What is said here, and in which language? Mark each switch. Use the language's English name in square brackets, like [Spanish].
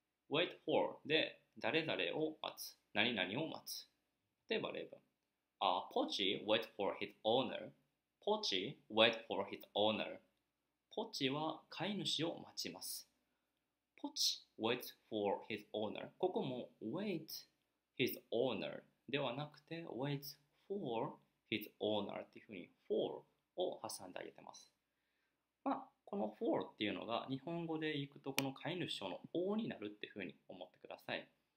[English] wait for [Japanese] で、誰々を待つ。何々を待つ。例えば例文。 [English] Pochi wait for his owner. Pochi wait for his owner. [Japanese] Pochi は飼い主を待ちます。 [English] Pochi wait for his owner. [Japanese] ここも [English] wait his owner [Japanese] ではなくて [English] wait for his owner [Japanese] っていうふうに for を挟んであげてます。まあ、この for っていうのが日本語でいくとこの飼い主の王になるっていうふうに思ってください。